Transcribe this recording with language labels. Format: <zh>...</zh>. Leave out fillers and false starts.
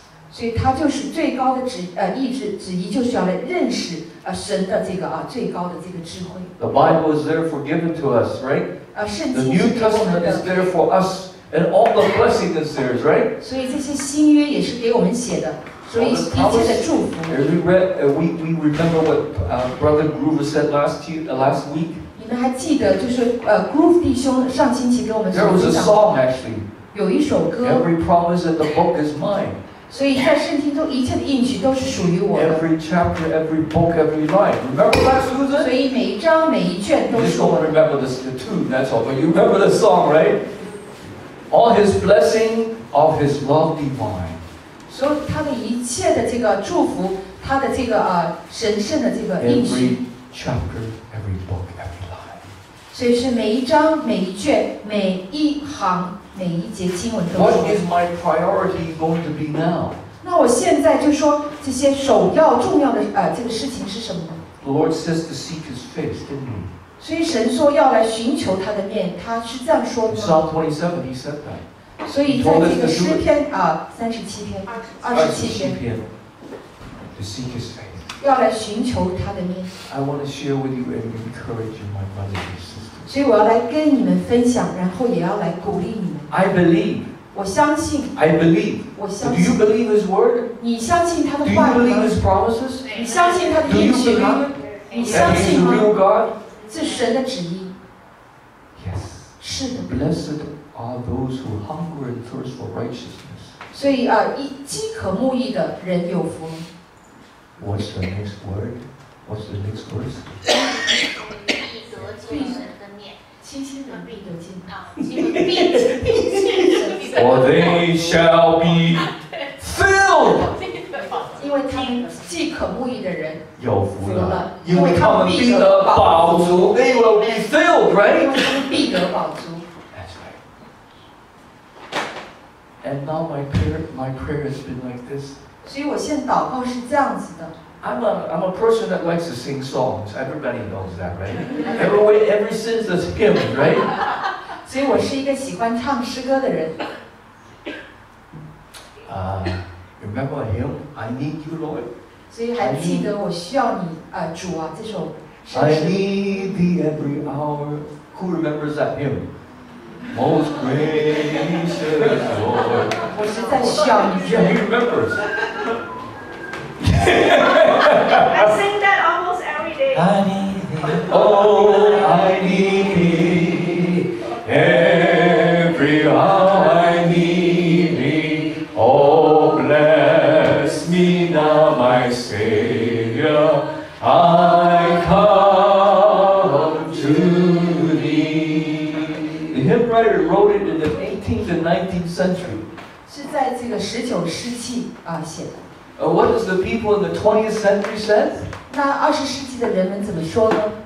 <zh>所以他就是最高的意志旨意，就是要来认识神的这个最高的这个智慧。</zh> <en>The Bible is therefore given to us, right?</en> <zh>圣经是给我们的。</zh> <en>The New Testament is there for us, and all the blessings is there, right?</en> <zh>所以这些新约也是给我们写的。所以一切的祝福。</zh> <en>We remember what Brother Groove said last week.</en> <zh>你们还记得就是Groove 弟兄上星期给我们</zh> <en>？There was a song actually.</en> <zh>有一首歌。</zh> <en>Every promise in the book is mine.</en> <zh>所以在圣经中一切的应许都是属于我的。</zh> <en>Every chapter, every book, every line. Remember that, Susan?</en> <zh>所以每一章每一卷都是我的。</zh> <en>You don't remember the tune, that's all, but you remember the song, right? All His blessing, all His love divine.</en> <zh>所以他的一切的这个祝福，他的这个神圣的这个应许。</zh> <en>Every chapter, every book, every line.</en> <zh>所以是每一章、每一卷、每一行、每一节经文都。</zh> <en>What is my priority going to be now?</en> <zh>那我现在就说这些首要、重要的这个事情是什么呢</zh> <en>？The Lord says to seek His face, didn't He?</en> <zh>所以神说要来寻求他的面，他是这样说的。</zh> <en>Psalm 27, He said that.</en> <zh>所以在这个诗篇三十七篇，</zh> <en>二十七篇 to seek his face.</en> <zh>要来寻求他的面。</zh> <en>I want to share with you and encourage you, my brothers and sisters.</en> <zh>所以我要来跟你们分享，然后也要来鼓励你们。</zh> <en>I believe.</en> <zh>我相信。</zh> <en>I believe.</en> <zh>我相信。</zh> <en>Do you believe his word?</en> <zh>你相信他的话吗</zh> <en>？Do you believe his promises?</en> <zh>你相信他的应许吗？你相信吗</zh> <en>？That he's a real God.</en> <zh>是神的旨意。</zh> <en>Yes.</en> <zh>是的。</zh> <en>Blessed. Are those who hunger and thirst for righteousness?</en> <zh>所以饥渴慕义的人有福。 What's the next word? What's the next verse? 必得见神的面，亲亲的必得见。啊，亲亲的必得见。</zh> <en>For they shall be filled.</en> <zh>因为他们饥渴慕义的人有福了，因为他们必得饱足。</zh> <en>They will be filled, right?</en> <zh>因为他们必得饱足。</zh> <en>Thank you. And now my prayer has been like this.</en> <zh>所以我现在祷告是这样子的。</zh> <en>I'm a person that likes to sing songs. Everybody knows that, right? Ever since a hymn, right?</en> <zh>所以我是一个喜欢唱诗歌的人。</zh> <en>Remember a hymn? I need you, Lord.</en> <zh>所以还记得我需要你啊，主啊，这首</zh> <en>诗。I need thee every hour. Who remembers that hymn? Most gracious Lord.</en> <zh>我实在需要你。</zh> <en>Yeah, he remembers. I sing that almost every day. I need thee. Oh, I need thee. Every hour I need thee. Oh, bless me now, my Savior. I come to thee. The hymn writer wrote it in the 18th and 19th century.</en> <zh>是在这个十九世纪啊写的。</zh> <en>What does the people in the 20th century say?</en> <zh>那二十世纪的人们怎么说呢？</zh>